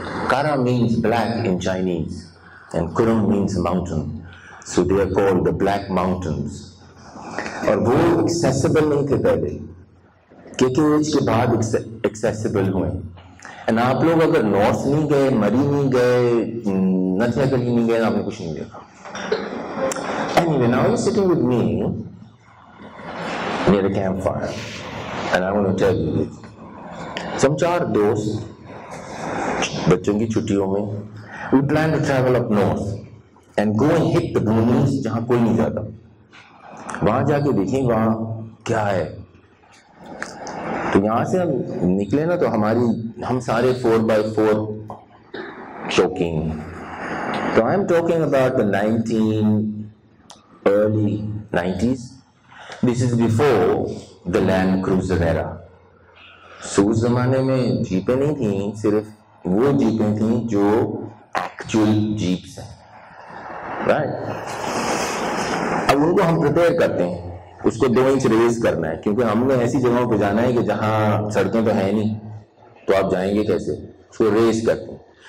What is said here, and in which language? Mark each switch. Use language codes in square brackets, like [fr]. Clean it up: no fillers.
[en] Kara means black in Chinese and koram means mountain, so they are called the black mountains. [hi] और वो accessible नहीं थे पहले, क्योंकि एज के बाद एक्सेसिबल हुए. एंड आप लोग अगर नॉर्थ नहीं गए, मरी नहीं गए, नथिया गली नहीं गए, आपने कुछ नहीं देखा. [en] Anyway, now you're sitting with me near a campfire, and I want to tell you this. Some four friends, [hi] बच्चों की छुट्टियों में, [en] we plan to travel up north and go and hit the boonies, [hi] जहाँ कोई नहीं जाता. वहाँ जाके देखें वहाँ क्या है. तो यहाँ से हम निकले ना, तो हमारी हम सारे 4x4 choking. [en] So I'm talking about the 19 early 90s. This is before the Land Cruiser era. [hi] So उस ज़माने में जीपें नहीं थीं, सिर्फ वो जीपें थीं जो actual jeeps हैं, right? अब उनको हम prepare करते हैं, उसको 2 inch raise करना है, क्योंकि हमने ऐसी जगहों पे जाना है कि जहाँ सड़कें तो हैं नहीं, तो आप जाएंगे कैसे? उसको raise करते हैं.